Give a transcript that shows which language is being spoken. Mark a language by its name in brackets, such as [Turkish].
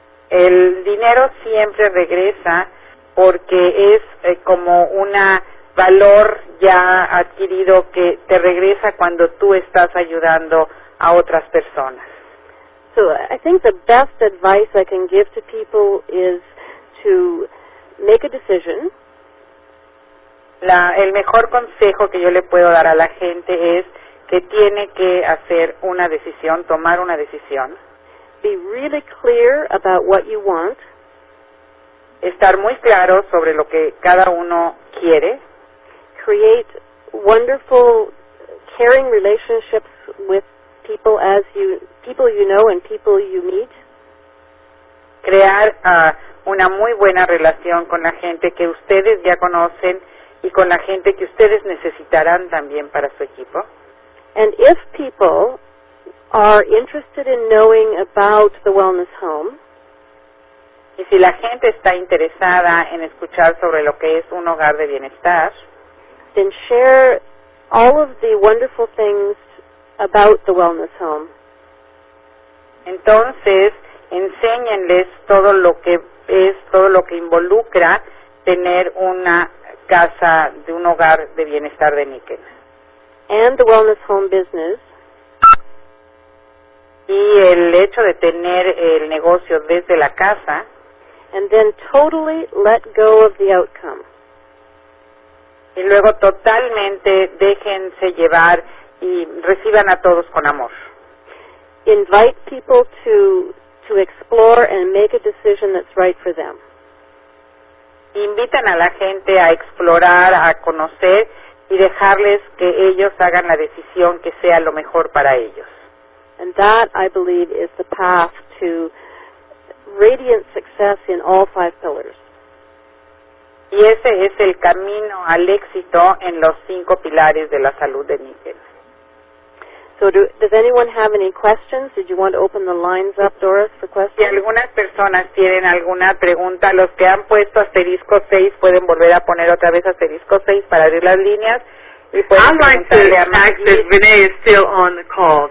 [Spanish] El dinero siempre regresa porque es como un valor ya adquirido que te regresa cuando tú estás ayudando a otras personas. [English] So I think the best advice I can give to people is to make a decision. [Spanish] El mejor consejo que yo le puedo dar a la gente es que tiene que hacer una decisión, tomar una decisión. [English] Be really clear about what you want. [Spanish] Estar muy claro sobre lo que cada uno quiere. [English] Create wonderful, caring relationships with people you know and people you meet. [Spanish] Crear una muy buena relación con la gente que ustedes ya conocen y con la gente que ustedes necesitarán también para su equipo. [English] And if people are interested in knowing about the wellness home, [Spanish] y si la gente está interesada en escuchar sobre lo que es un hogar de bienestar, [English] then share all of the wonderful things about the wellness home. [Spanish] Entonces, enséñenles todo lo que involucra tener una casa de un hogar de bienestar de Níquel. [English] And the wellness home business. [Spanish] Y el hecho de tener el negocio desde la casa. [English] And then totally let go of the outcome. [Spanish] Y luego totalmente déjense llevar y reciban a todos con amor. [English] Invite people to explore and make a decision that's right for them. [Spanish] Invitan a la gente a explorar, a conocer y dejarles que ellos hagan la decisión que sea lo mejor para ellos. [English] And that, I believe, is the path to radiant success in all five pillars. [Spanish] Y ese es el camino al éxito en los cinco pilares de la salud de Níquel. [English] So does anyone have any questions? Did you want to open the lines up, Doris, for questions? [Spanish] Si algunas personas tienen alguna pregunta, los que han puesto asterisco 6 pueden volver a poner otra vez asterisco 6 para abrir las líneas. Y [English] I'd like to ask that Renee is still on the call.